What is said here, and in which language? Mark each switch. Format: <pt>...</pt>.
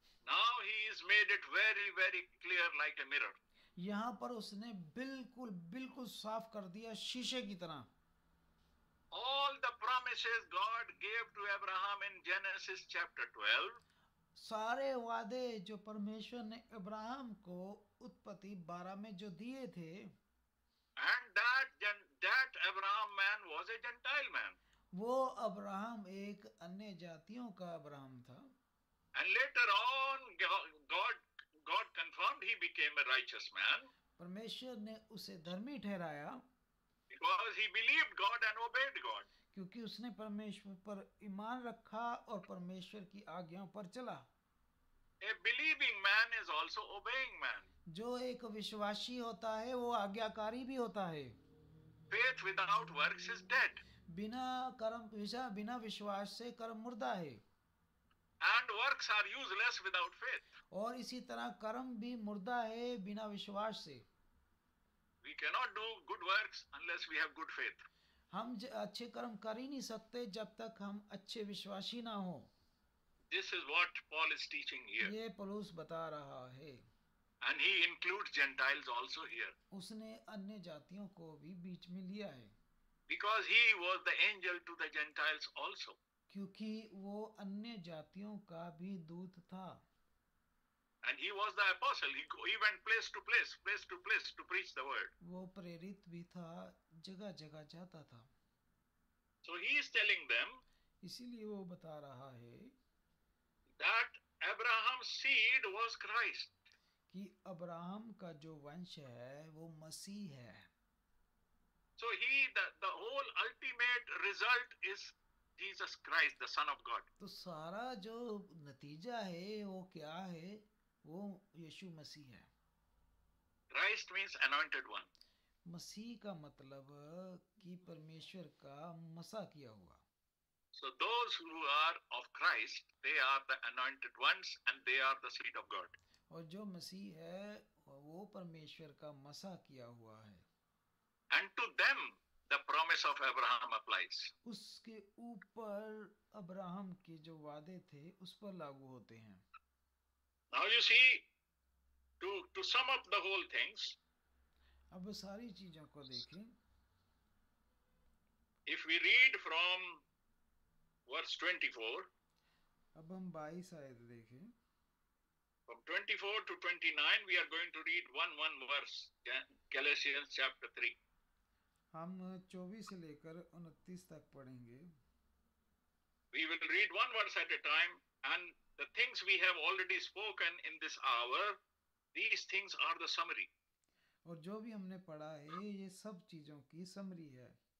<en>Now he has made it very, very clear like a mirror.</en> <hi>यहाँ पर उसने बिल्कुल बिल्कुल साफ कर दिया शीशे की तरह।</hi> <en>All the promises God gave to Abraham in Genesis chapter 12.</en> <hi>सारे वादे जो परमेश्वर ने अब्राहम को उत्पत्ति 12 में जो दिए थे।</hi> <en>And that Abraham man was a Gentile man.</en> <hi>वो अब्राहम एक अन्य जातियों का अब्राहम था।</hi> <en>And later on, God confirmed he became a righteous man.</en> <hi>परमेश्वर ने उसे धर्मी ठहराया।</hi> <en>Because he believed God and obeyed God.</en> <hi>क्योंकि उसने परमेश्वर पर ईमान रखा और परमेश्वर की आज्ञाओं पर चला।</hi> <en>A believing man is also obeying man.</en> <hi>जो एक विश्वासी होता है वो आज्ञाकारी भी होता है।</hi> <en>Faith without works is dead.</en> <hi>बिना विश्वास से कर्म मुर्दा है।</hi> <en>And works are useless without faith.</en> <hi>और इसी तरह कर्म भी मुर्दा है बिना विश्वास से।</hi> <en>We cannot do good works unless we have good faith.</en> <hi>हम अच्छे कर्म कर ही नहीं सकते जब तक हम अच्छे विश्वासी ना हो।</hi> <en>This is what Paul is teaching here.</en> <hi>ये पौलुस बता रहा है।</hi> <en>And he includes Gentiles also here.</en> <hi>उसने अन्य जातियों को भी बीच में लिया है।</hi> <en>Because he was the angel to the Gentiles also.</en> <hi>क्योंकि वो अन्य जातियों का भी दूत था।</hi> <en>And he was the apostle. He went place to place to preach the word.</en> <hi>वो प्रेरित भी था, जगह जगह जाता था।</hi> <en>So he is telling them.</en> <hi>इसीलिए वो बता रहा है।</hi> <en>That Abraham's seed was Christ.</en> <hi>कि अब्राहम का जो वंश है वो मसीह है।</hi> <en>So he the whole ultimate result is Jesus Christ, the Son of God.</en> <hi>तो सारा जो नतीजा है वो क्या है? वो यीशु मसीह है।</hi> <en>Christ means anointed one.</en> <hi>मसीह का मतलब कि परमेश्वर का मसा किया हुआ।</hi> <en>So those who are of Christ, they are the anointed ones and they are the seed of God.</en> <hi>और जो मसीह है वो परमेश्वर का मसा किया हुआ है।</hi> <en>And to them, the promise of Abraham applies.</en> <hi>उसके ऊपर अब्राहम के जो वादे थे उस पर लागू होते हैं।</hi> <en>Now you see, to sum up the whole things.</en> <hi>अब सारी चीजों को देखें।</hi> <en>If we read from verse 24.</en> <hi>अब हम 22 आयत देखें।</hi> <en>From 24 to 29, we are going to read one verse, Galatians chapter 3.</en> <hi>हम 24 से लेकर 29 तक पढ़ेंगे.</hi> <en>We will read one verse at a time, and the things we have already spoken in this hour, these things are the summary.</en> <hi>और जो भी हमने पढ़ा है, ये सब चीजों की समरी है.</hi>